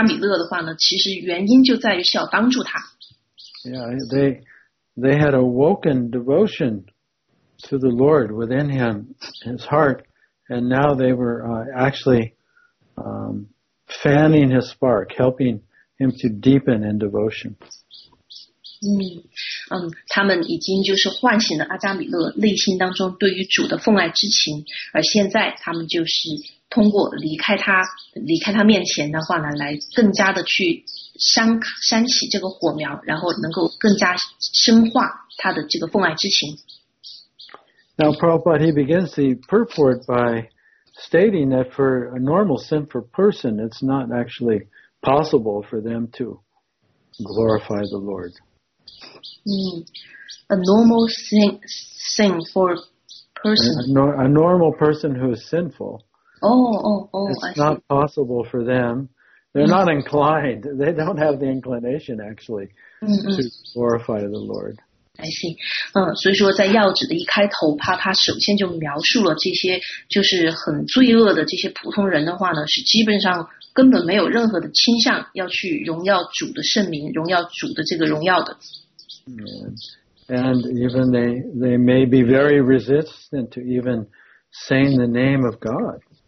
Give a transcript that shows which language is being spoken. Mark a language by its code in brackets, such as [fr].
[zh] 当然就是我们通过帕帕所写的这个要旨的话呢，就明白为什么维什努都塔会立刻离开阿迦米勒的话呢，其实原因就在于是要帮助他。 [en] Yeah, they had awoken devotion to the Lord within him, his heart. And now they were actually fanning his spark, helping him to deepen in devotion. [zh] 他们已经就是唤醒了阿迦米勒内心当中对于主的奉爱之情，而现在他们就是通过离开他面前的话呢，来更加的去煽起这个火苗，然后能够更加深化他的这个奉爱之情。 [en] Now Prabhupada, he begins the purport by stating that for a normal sinful person, it's not actually possible for them to glorify the Lord. A normal sinful person. A normal person who is sinful. It's not possible for them. They're not inclined. They don't have the inclination actually to glorify the Lord. I see. [zh] 所以说在要旨的一开头，帕帕首先就描述了这些就是很罪恶的这些普通人的话呢，是基本上根本没有任何的倾向要去荣耀主的圣名，荣耀主的这个荣耀的。 [en] And even they may be very resistant to even saying the name of God.